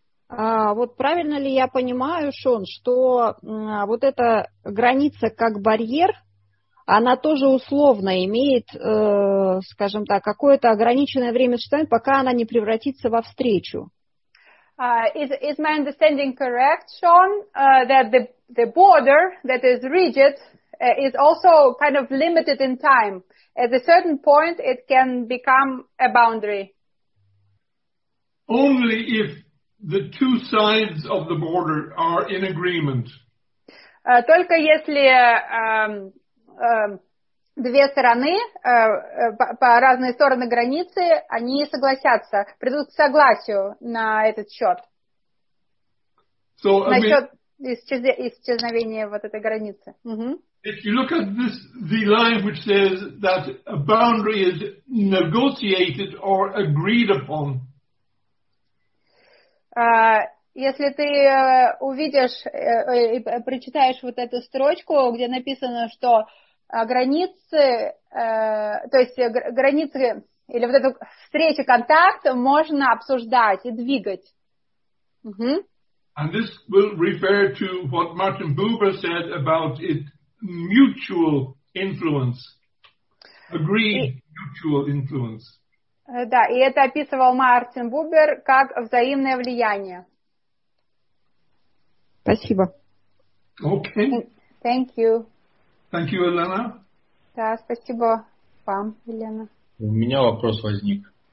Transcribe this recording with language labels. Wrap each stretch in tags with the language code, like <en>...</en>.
<ru>Вот правильно ли я понимаю, Шон, что вот эта граница как барьер, она тоже условно имеет, скажем так, какое-то ограниченное время существования, пока она не превратится во встречу?</ru> <en>Is my understanding correct, Sean, that the border that is rigid is also kind of limited in time? At a certain point, it can become a boundary. Only if the two sides of the border are in agreement.</en> <ru>Только если две стороны по разные стороны границы, они согласятся, придут к согласию на этот счет.</ru> <en>So,</en> <ru>насчет исчезновения вот этой границы.</ru> <en>If you look at this, the line which says that a boundary is negotiated or agreed upon.</en> <ru>Если ты увидишь и прочитаешь вот эту строчку, где написано, что границы, то есть границы или вот эту встречу, контакт можно обсуждать и двигать.</ru> <en>And this will refer to what Martin Buber said about it, mutual influence, agreed mutual influence.</en> <ru>Да, и это описывал Мартин Бубер как взаимное влияние. Спасибо.</ru> <en>Okay. Thank you. Thank you, Elena.</en> <ru>Да, спасибо вам, Елена. У меня вопрос возник.</ru>